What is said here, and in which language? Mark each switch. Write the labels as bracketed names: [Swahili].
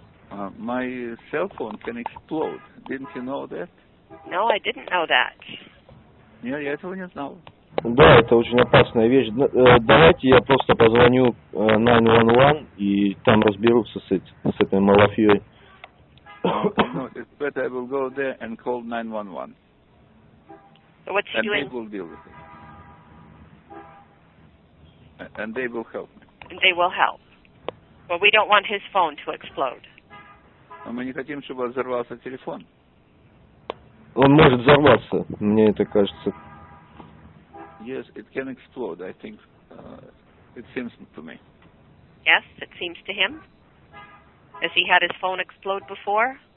[English] My cell phone can explode. Didn't you know that? No, I didn't know that. [Russian] Нет, я этого не знал. Да, это очень опасная вещь. Давайте я просто позвоню 911 и там разберутся с этой малафьей. [English] No, it's better I will go there and call 911. What's he and doing? They will deal with it. And they will help me. And they will help. But we don't want his phone to explode. [Russian] Но мы не хотим, чтобы взорвался телефон. Он может взорваться, мне это кажется. [English] Yes, it can explode, I think. It seems to me. Yes, it seems to him. Has he had his phone explode before?